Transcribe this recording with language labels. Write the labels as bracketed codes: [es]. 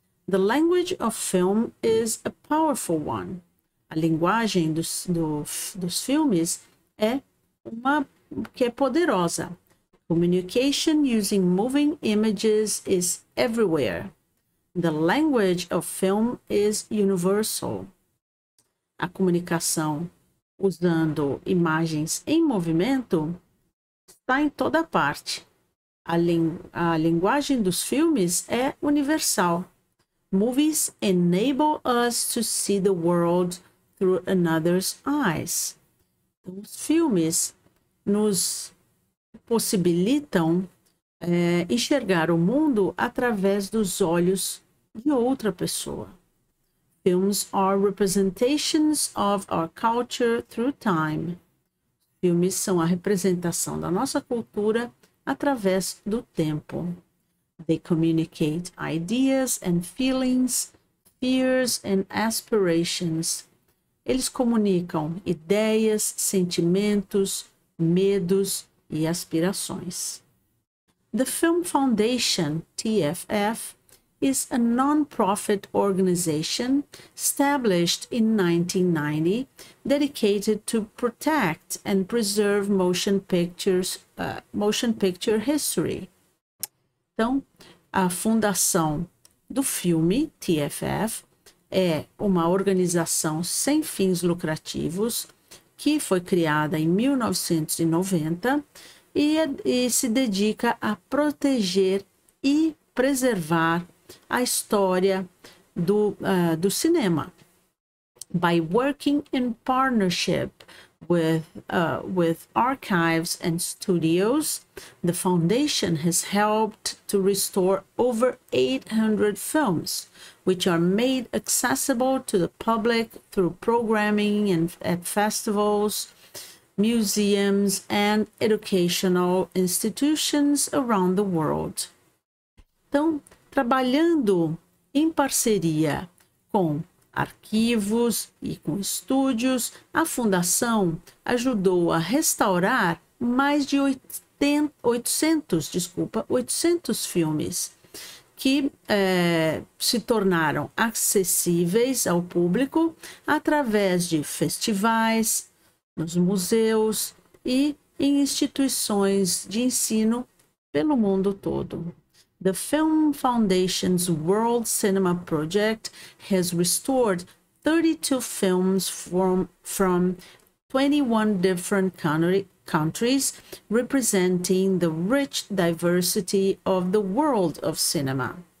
[en] The language of film is a powerful one. [pt] A linguagem dos filmes é uma que é poderosa. [en] Communication using moving images is everywhere. The language of film is universal. [pt] A comunicação usando imagens em movimento está em toda parte. A linguagem dos filmes é universal. [en] Movies enable us to see the world through another's eyes. [pt] Então, os filmes nos possibilitam enxergar o mundo através dos olhos de outra pessoa. [en] Films are representations of our culture through time. [pt] Filmes são a representação da nossa cultura através do tempo. [en] They communicate ideas and feelings, fears and aspirations. [pt] Eles comunicam ideias, sentimentos, medos e aspirações. [en] The Film Foundation, TFF, is a non-profit organization established in 1990, dedicated to protect and preserve motion picture history. [pt] Então, a fundação do filme, TFF, é uma organização sem fins lucrativos que foi criada em 1990 e se dedica a proteger e preservar a história do cinema. [en] By working in partnership with archives and studios, the foundation has helped to restore over 800 films, which are made accessible to the public through programming at festivals, museums and educational institutions around the world. [pt] Então, trabalhando em parceria com arquivos e com estúdios, a fundação ajudou a restaurar mais de 800 filmes que se tornaram acessíveis ao público através de festivais, nos museus e em instituições de ensino pelo mundo todo. [en] The Film Foundation's World Cinema Project has restored 32 films from 21 different countries, representing the rich diversity of the world of cinema.